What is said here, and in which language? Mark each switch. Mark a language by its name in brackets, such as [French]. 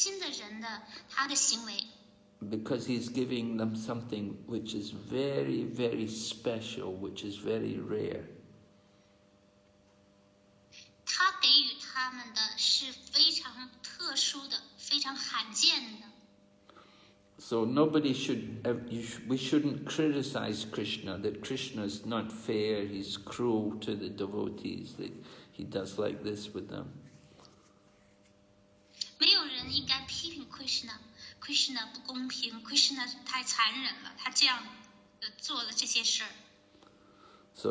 [Chinese] 这是一个非常慷慨大度的，有着不失心的人的他的行为。 [English] Because he's giving them something which is very, very special, which is very rare. [Chinese] 他给予他们的是非常特殊的，非常罕见的。So [English] nobody should, we shouldn't criticize Krishna, that Krishna is not fair, he's cruel to the devotees, that he does like this with them. [Chinese] 没有人应该批评 Krishna, Krishna 不公平, Krishna 太残忍了，他这样做了这些事。So